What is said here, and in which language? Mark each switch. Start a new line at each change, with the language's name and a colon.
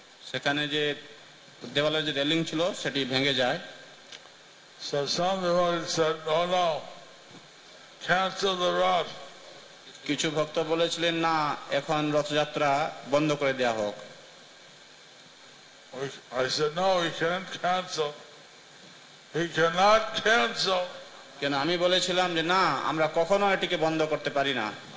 Bangla: সেখানে যে দেওয়ালের যে রেলিং ছিল সেটি ভেঙে যায়।
English: So some devotees said, "Oh no, cancel the rod."
Bangla: কিছু ভক্ত বলেছিলেন, না এখন রথযাত্রা বন্ধ করে দেওয়া হোক।
English: I said, "No, we can't cancel. We cannot cancel."
Bangla: কেন আমি বলেছিলাম যে না আমরা কখনো এটিকে বন্ধ করতে পারি না।